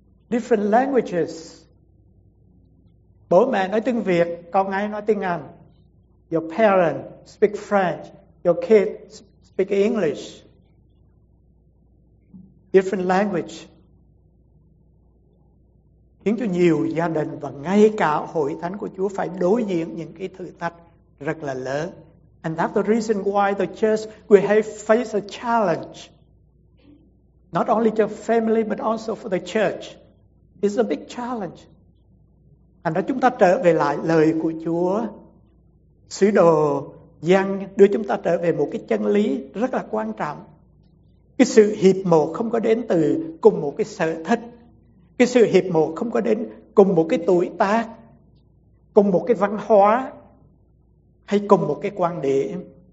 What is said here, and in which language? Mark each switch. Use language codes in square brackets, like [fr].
[en] different languages, [vi] bố mẹ nói tiếng Việt, con gái nói tiếng Anh, [en] your parents speak French, your kids speak English, different language, [vi] khiến cho nhiều gia đình và ngay cả hội thánh của Chúa phải đối diện những cái thử thách rất là lớn. [en] And that's the reason why the church we have faced a challenge, not only to family but also for the church. It's a big challenge. [vi] Thành ra chúng ta trở về lại lời của Chúa. Sứ đồ Giăng đưa chúng ta trở về một cái chân lý rất là quan trọng. Cái sự hiệp một không có đến từ cùng một cái sở thích. Cái sự hiệp một không có đến cùng một cái tuổi tác, cùng một cái văn hóa hay cùng một cái quan điểm.